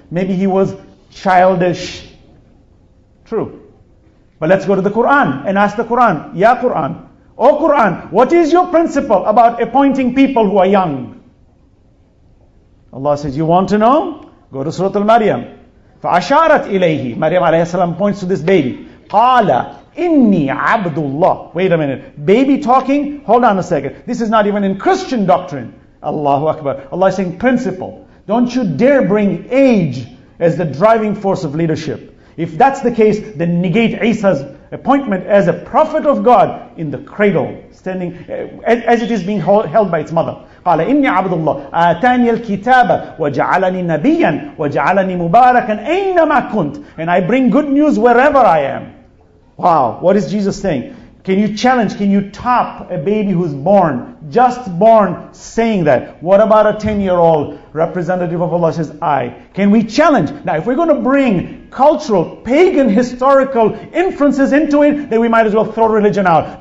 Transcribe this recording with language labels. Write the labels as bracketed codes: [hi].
[en] Maybe he was childish. True. But let's go to the Quran and ask the Quran. Ya Quran. O Quran, what is your principle about appointing people who are young? Allah says, you want to know? Go to Surah Al-Maryam. [ar] فَأَشَارَتْ إِلَيْهِ [en] Maryam alayhi salam points to this baby. [ar] قَالَ إِنِّي عَبْدُ اللَّهِ [en] Wait a minute. Baby talking? Hold on a second. This is not even in Christian doctrine. Allahu Akbar. Allah is saying principle. Don't you dare bring age as the driving force of leadership. If that's the case, then negate Isa's appointment as a prophet of God in the cradle, standing as it is being held by its mother. [ar] قَالَ إِنِّي عَبْدُ اللَّهِ آتَانِيَ الْكِتَابَ وَجَعَلَنِي نَبِيًّا وَجَعَلَنِي مُبَارَكًا أَيْنَمَا كُنْتُ [en] And I bring good news wherever I am. Wow, what is Jesus saying? Can you challenge, can you top a baby who's born, just born, saying that? What about a 10-year-old representative of Allah says, I. Can we challenge? Now, if we're going to bring cultural, pagan, historical inferences into it, then we might as well throw religion out.